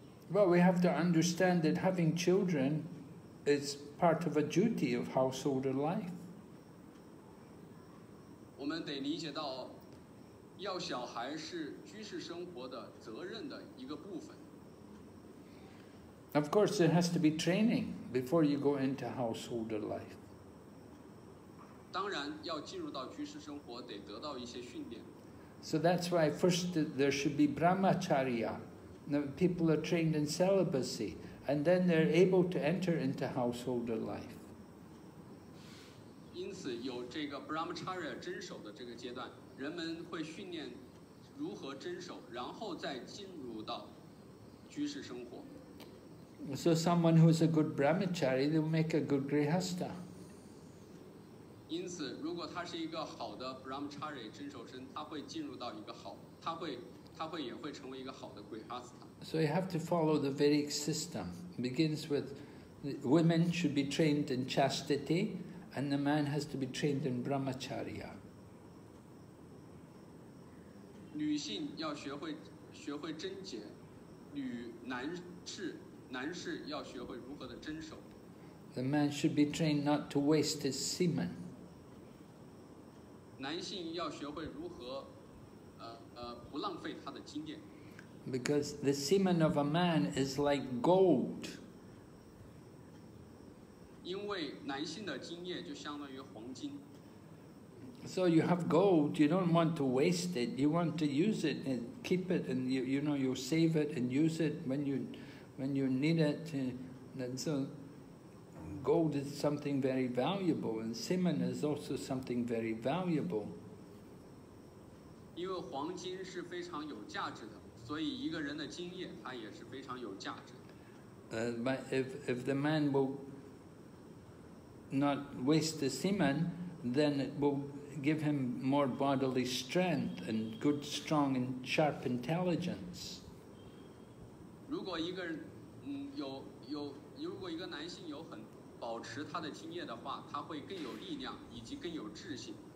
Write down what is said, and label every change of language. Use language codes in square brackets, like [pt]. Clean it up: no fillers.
[en] Well, we have to understand that having children is part of a duty of household life. [zh] 我们得理解到要小孩是居士生活的责任的一个部分。 [en] Of course, there has to be training before you go into householder life. [zh] 当然要进入到居士生活得得到一些训练。 [en] So that's why first there should be brahmacharya. Now people are trained in celibacy and then they're able to enter into householder life. [zh] 因此有这个 Brahmacharya 遵守的这个阶段，人们会训练如何遵守，然后再进入到居士生活。 [en] So someone who is a good Brahmachari, they will make a good Grihastha. [zh] 因此，如果他是一个好的 Brahmachari 遵守生，他会进入到一个好，他会也会成为一个好的 Grihastha. [en] So you have to follow the Vedic system. It begins with women should be trained in chastity. And the man has to be trained in brahmacharya. [zh] 女性要学会贞洁，男士要学会如何的遵守。 [en] The man should be trained not to waste his semen. [zh] 男性要学会如何，不浪费他的精液。 [en] Because the semen of a man is like gold. [zh] 因为男性的精液就相当于黄金。 [en] So you have gold, you don't want to waste it. You want to use it and keep it, and you save it and use it when you need it. And so, gold is something very valuable, and semen is also something very valuable. [zh] 因为黄金是非常有价值的，所以一个人的精液它也是非常有价值的。 [en] But if the man will not waste the semen, then it will give him more bodily strength and good, strong and sharp intelligence. [zh] 如果一个人有，如果一个男性有很保持他的精液的话，他会更有力量以及更有智性。